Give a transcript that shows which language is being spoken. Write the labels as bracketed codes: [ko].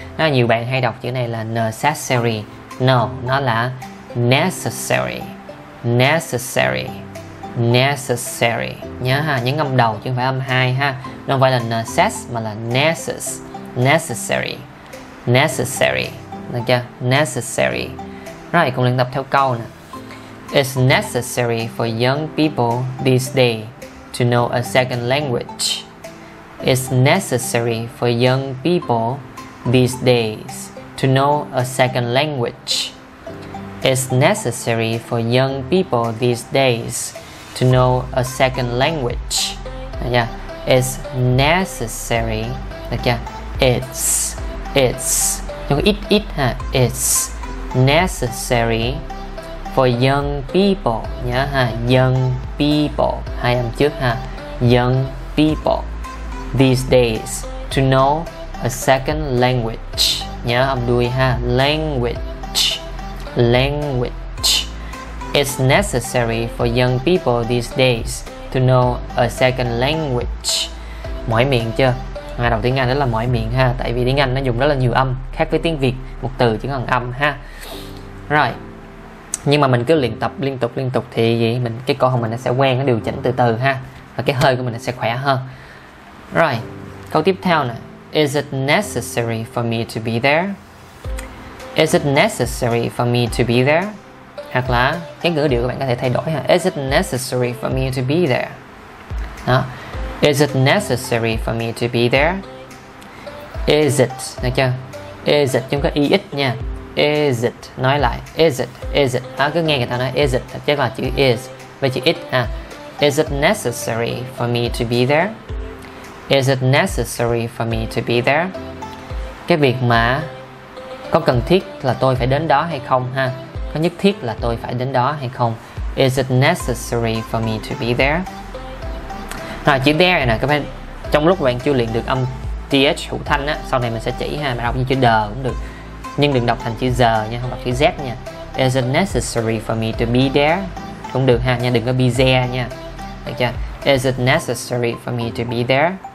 [vi] Nó nhiều bạn hay đọc chữ này là necessary. No, nó là necessary. Necessary. Necessary. Nhớ ha, những âm đầu chứ không phải âm hai ha. Nó không phải là necess mà là necess. Necessary. Necessary. Được chưa? Necessary. Rồi, cùng luyện tập theo câu nè. [en] It's necessary for young people these days to know a second language. It's necessary for young people these days to know a second language. It's necessary for young people these days to know a second language. Yeah, it's necessary. Okay. It's [vi] Trong cái [en] it ha, it's necessary for young people [vi] nhớ ha, [en] young people [vi] hai âm trước ha, [en] young people these days to know a second language [vi] nhớ âm đuôi ha, [en] language it's necessary for young people these days to know a second language. [vi] Mỏi miệng chưa? Ngày đầu tiếng Anh đó là mỏi miệng ha, tại vì tiếng Anh nó dùng rất là nhiều âm, khác với tiếng Việt một từ chỉ còn âm ha. Rồi. Nhưng mà mình cứ luyện tập liên tục thì gì, mình cái cổ họng mình nó sẽ quen, nó điều chỉnh từ từ ha, và cái hơi của mình nó sẽ khỏe hơn. Rồi. Câu tiếp theo nè. [en] Is it necessary for me to be there? Is it necessary for me to be there? [vi] Hoặc là cái ngữ điệu các bạn có thể thay đổi ha. [en] Is it necessary for me to be there? Đó. Is it necessary for me to be there? Is it, [vi] được chưa? Is it, chúng có ý ít nha. Is it, nói lại. Is it, ta cứ nghe người ta nói [en] is it, [vi] thật chắc là chữ is với chữ it ha. [en] Is it necessary for me to be there? Is it necessary for me to be there? [vi] Cái việc mà có cần thiết là tôi phải đến đó hay không ha. Có nhất thiết là tôi phải đến đó hay không? [en] Is it necessary for me to be there? [vi] Rồi, chữ there này nè, các bạn trong lúc bạn chưa luyện được âm TH hữu thanh á, sau này mình sẽ chỉ ha, bạn đọc như chữ the cũng được. Nhưng đừng đọc thành chữ giờ nha, không đọc chữ Z nha. [en] Is it necessary for me to be there? [vi] Cũng được ha, nha, đừng có [en] be there [vi] nha. Được chưa? [en] Is it necessary for me to be there?